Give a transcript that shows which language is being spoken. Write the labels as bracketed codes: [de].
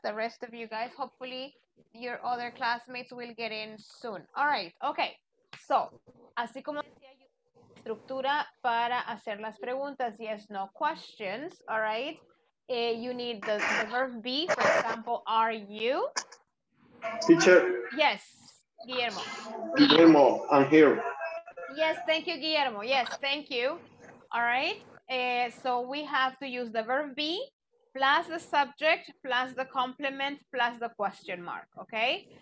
[en] The rest of you guys, hopefully your other classmates will get in soon. All right, okay. [es] So, así como decía yo, estructura para hacer las preguntas, yes, no questions, all right? [en] You need the verb be, for example, are you? Teacher. Yes, Guillermo. Guillermo, I'm here. Yes, thank you, Guillermo. Yes, thank you, all right? So we have to use the verb be plus the subject plus the complement plus the question mark, okay?